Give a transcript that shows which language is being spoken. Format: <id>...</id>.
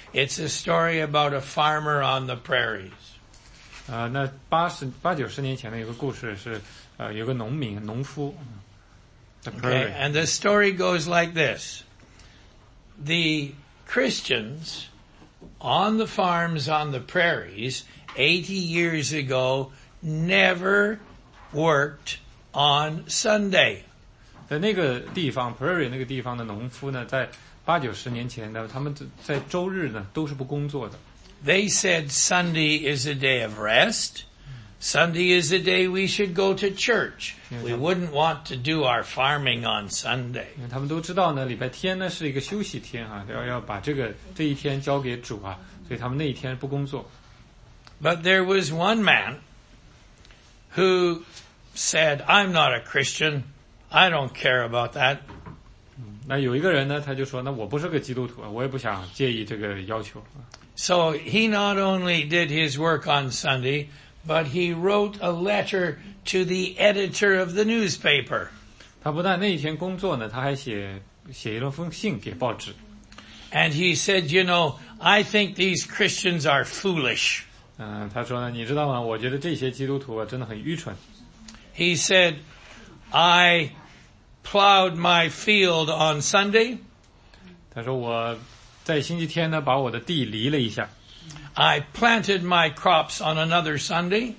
<en>It's a story about a farmer on the prairies.</en> <zh>那八九十年前的一个故事是有个农民农夫。</zh> <en>Okay, and the story goes like this. The Christians on the farms on the prairies 80 years ago never worked on Sunday.</en> <zh>在那个地方 prairie 那个地方的农夫呢在八九十年前呢他们在周日呢都是不工作的。</zh> <en>They said Sunday is a day of rest. Sunday is a day we should go to church. We wouldn't want to do our farming on Sunday.</en> <zh>他们都知道呢礼拜天呢是一个休息天啊要把这一天交给主啊所以他们那一天不工作。</zh> <en>But there was one man who said, I'm not a Christian. I don't care about that.</en> <zh>那有一个人呢他就说那我不是个基督徒我也不想介意这个要求。</zh> <en>So he not only did his work on Sunday,But he wrote a letter to the editor of the newspaper.</en> <zh>他不但那一天工作呢，他还写了封信给报纸。</zh> <en>And he said, "You know, I think these Christians are foolish."</en> <zh>他说呢，你知道吗？我觉得这些基督徒啊，真的很愚蠢。</zh> <en>He said, "I plowed my field on Sunday."</en> <zh>他说我在星期天呢，把我的地犁了一下。</zh> <en>I planted my crops on another Sunday.</en>